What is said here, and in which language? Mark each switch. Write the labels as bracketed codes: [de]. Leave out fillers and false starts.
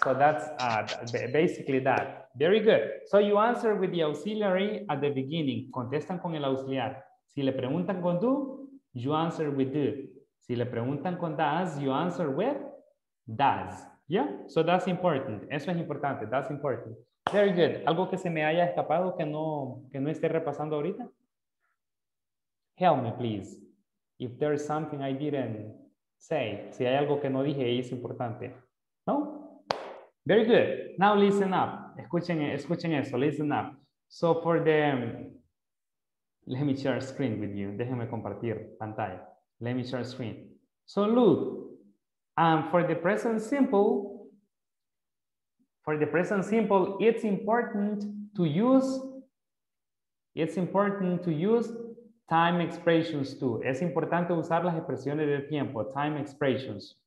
[en] So that's basically that. Very good. So you answer with the auxiliary at the beginning. [es] Contestan con el auxiliar. Si le preguntan con do, [en] you answer with do. [es] Si le preguntan con does, [en] you answer with does. Yeah, so that's important. [es] Eso es importante. [en] That's important. Very good. [es] ¿Algo que se me haya escapado que no esté repasando ahorita? [en] Help me, please. If there is something I didn't say. [es] Si hay algo que no dije y es importante. [en] No? Very good. Now listen up. [es] Escuchen eso. [en] Listen up. So for the... Let me share screen with you. [es] Déjenme compartir pantalla. [en] Let me share screen. So look. For the present simple, it's important to use time expressions too. [es] Es importante usar las expresiones del tiempo, [en] time expressions.